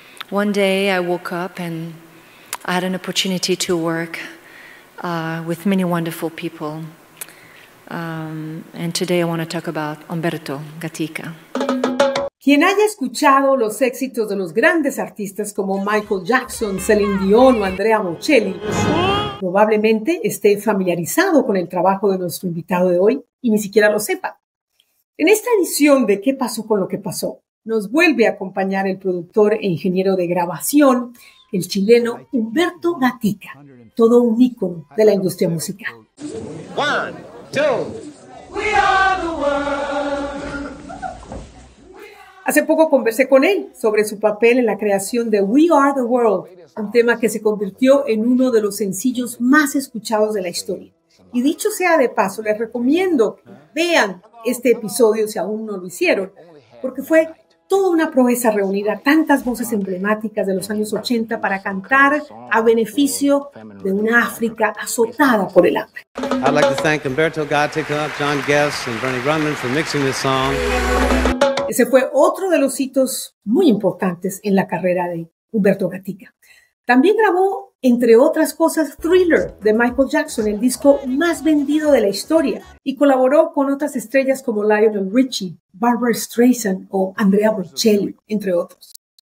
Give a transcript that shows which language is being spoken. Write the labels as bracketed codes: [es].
[en] One day I woke up and I had an opportunity to work with many wonderful people. And today I want to talk about Umberto Gatica. [es] Quien haya escuchado los éxitos de los grandes artistas como Michael Jackson, Celine Dion o Andrea Bocelli, probablemente esté familiarizado con el trabajo de nuestro invitado de hoy y ni siquiera lo sepa. En esta edición de ¿Qué pasó con lo que pasó? Nos vuelve a acompañar el productor e ingeniero de grabación, el chileno Umberto Gatica, todo un ícono de la industria musical. [en] One, two. We are the world. [es] Hace poco conversé con él sobre su papel en la creación de We Are The World, un tema que se convirtió en uno de los sencillos más escuchados de la historia. Y dicho sea de paso, les recomiendo que vean este episodio si aún no lo hicieron, porque fue toda una proeza reunir a tantas voces emblemáticas de los años 80 para cantar a beneficio de una África azotada por el hambre. [en] I'd like to thank Umberto Gatica, John Guest and Bernie Grundman for mixing this song. [es] Ese fue otro de los hitos muy importantes en la carrera de Umberto Gatica. También grabó, entre otras cosas, Thriller de Michael Jackson, el disco más vendido de la historia, y colaboró con otras estrellas como Lionel Richie, Barbara Streisand o Andrea Bocelli, entre otros.